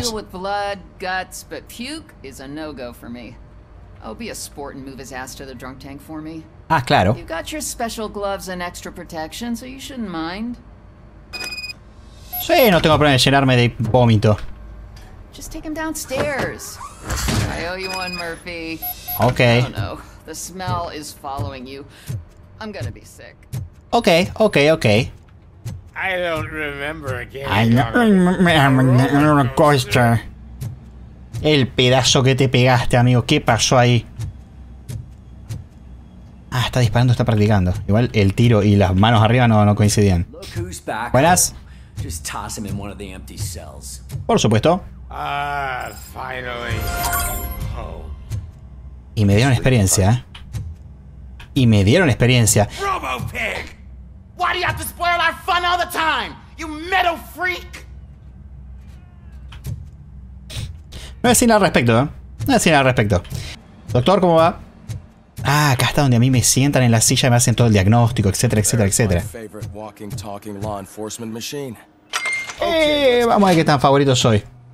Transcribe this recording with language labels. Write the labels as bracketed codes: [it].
[en] I can deal with blood, guts, but puke is a no-go for me. Oh, be a sport and move his ass to the drunk tank for me. [es] Ah, claro. [en] You've got your special gloves and extra protection, so you shouldn't mind. [es] Sí, no tengo problema en llenarme de vómito. [en] Just take him downstairs. I owe you one, Murphy. Okay. Oh no, the smell is following you. I'm gonna be sick. Okay, okay, okay. I don't remember again. I don't remember a coaster. [es] El pedazo que te pegaste, amigo. ¿Qué pasó ahí? Ah, está disparando, está practicando. Igual el tiro y las manos arriba no coincidían. ¿Buenas? [en] Just toss him in one of the empty cells. [es] Por supuesto. [en] Finally. Oh. [es] Y me dieron experiencia. Y me dieron experiencia. [en] RoboPig! Why do you have to spoil our fun all the time? You metal freak! [es] No voy a decir nada al respecto, ¿eh? No voy a decir nada al respecto. Doctor, ¿cómo va? Ah, acá está donde a mí me sientan en la silla y me hacen todo el diagnóstico, etcétera, etcétera, etcétera. [en] My favorite walking, talking law enforcement machine. [es] Vamos a ver qué tan favorito soy.